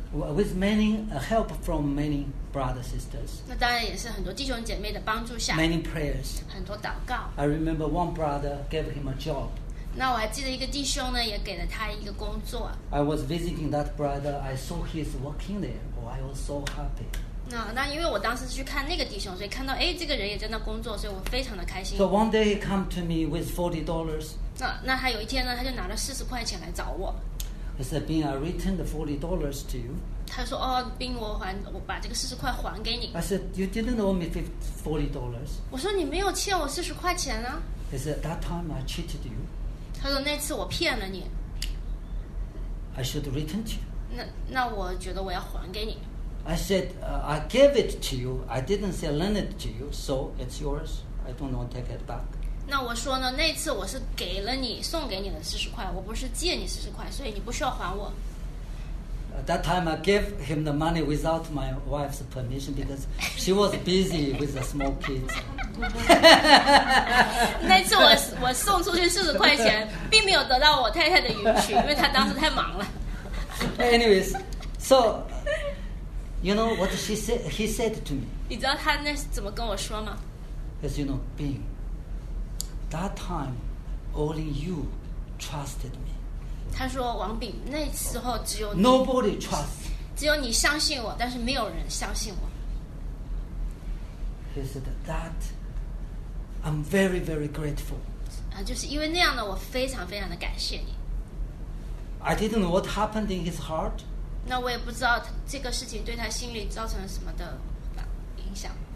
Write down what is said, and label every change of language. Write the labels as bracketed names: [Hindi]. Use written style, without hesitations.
[English] With many help from many brothers and sisters. [Chinese] 那当然也是很多弟兄姐妹的帮助下。 [English] Many prayers. [Chinese] 很多祷告。 [English] I remember one brother gave him a job. [Chinese] 那我还记得一个弟兄呢，也给了他一个工作。 [English] I was visiting that brother. I saw he's working there. Oh, I was so happy. [Chinese] 那因为我当时去看那个弟兄，所以看到这个人也在那工作，所以我非常的开心。 [English] So one day he come to me with $40. [Chinese] 那他有一天呢，他就拿了40块钱来找我。 [English] He said, Bing, I returned the $40 to you. [Chinese] 他说哦，宾，我把这个40块还给你。 [English] I said, you didn't owe me $40. [Chinese] 我说你没有欠我40块钱啊。 [English] He said, that time I cheated you. [Chinese] 他说那次我骗了你。 [English] I should return to you. [Chinese] 那我觉得我要还给你。 [English] I said, I gave it to you. I didn't say lend it to you, so it's yours. I don't want to take it back. [Chinese] 那我说呢，那次我是给了你，送给你的40块，我不是借你40块，所以你不需要还我。 [English] That time I gave him the money without my wife's permission because she was busy with the small kids. [Chinese] 那次我送出去40块钱，并没有得到我太太的允许，因为她当时太忙了。 [English] Anyways, so you know what she said? He said to me. [Chinese] 你知道他那怎么跟我说吗 [English] ？As you know, Bing, that time only you trusted me. [Chinese] 他说王炳那时候只有 [English] Nobody trusts [Chinese] 只有你相信我但是没有人相信我 [English] He said that I'm very very grateful [Chinese] 就是因为那样的我非常非常的感谢你 [English] I didn't know what happened in his heart [Chinese] 那我也不知道这个事情对他心里造成了什么的影响